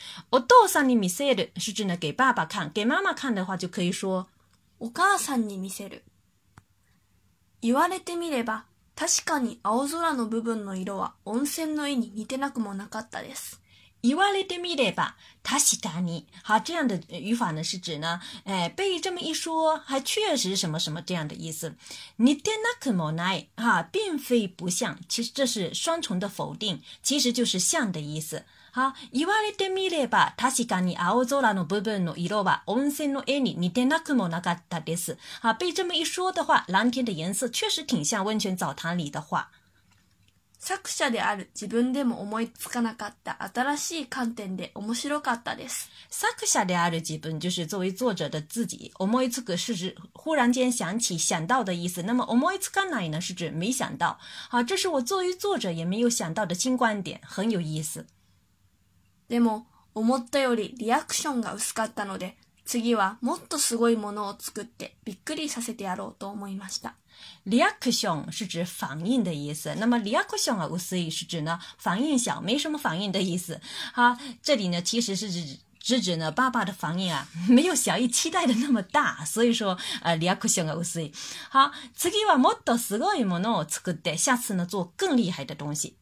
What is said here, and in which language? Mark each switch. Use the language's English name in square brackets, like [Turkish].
[Japanese] お父さんに見せる [Chinese] 是指呢给爸爸看，给妈妈看的话就可以说 [Japanese] お母さんに見せる。言われてみれば。確かに青空の部分の色は温泉の絵に似てなくもなかったです。言われてみれば確かに。 [Chinese] 好，这样的语法呢是指呢，被这么一说，还确实什么什么这样的意思。 [Japanese] 似てなくもない， [Chinese] 哈，并非不像。其实这是双重的否定，其实就是像的意思。 [Japanese] 好，言われてみれば確かに青空の部分の色は温泉の絵に似てなくもなかったです。 [Chinese] 好，被这么一说的话，蓝天的颜色确实挺像温泉澡堂里的画。 [Japanese] 作者である自分でも思いつかなかった新しい観点で面白かったです。作者である自分 [Chinese] 就是作为作者的自己，思いつく是指忽然间想起、想到的意思。那么 [Japanese] 思いつかない [Chinese] 呢是指没想到。好，这是我作为作者也没有想到的新观点，很有意思。 [Japanese] でも思ったよりリアクションが薄かったので、次はもっとすごいものを作ってびっくりさせてやろうと思いました。 [Chinese] リアクション是指反应的意思。那么 [Japanese] リアクションが薄い [Chinese] 是指呢反应小、没什么反应的意思。好，这里呢其实是指呢爸爸的反应啊，没有小姨期待的那么大，所以说 [Japanese] リアクションが薄い。 [Chinese] 好， [Japanese] 次はもっとすごいものを作って、 [Chinese] 下次呢做更厉害的东西。